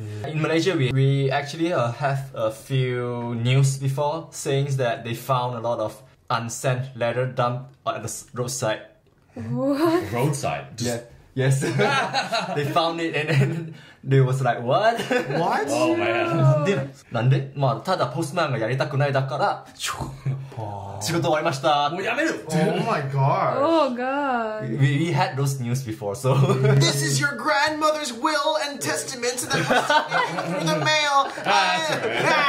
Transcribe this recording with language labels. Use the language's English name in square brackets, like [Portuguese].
[English] In Malaysia, we actually have a few news before saying that they found a lot of unsent letter dumped at the roadside. What? Roadside? Yeah. Yes. They found it and then they was like, what? What? Oh man. [Japanese] で、なんで？まあ、ただポストマンがやりたくないだから、仕事終わりました。もうやめる！ [English] Oh my god. Oh god. We had those news before, so. This is your grandmother's will and testament to the through the mail.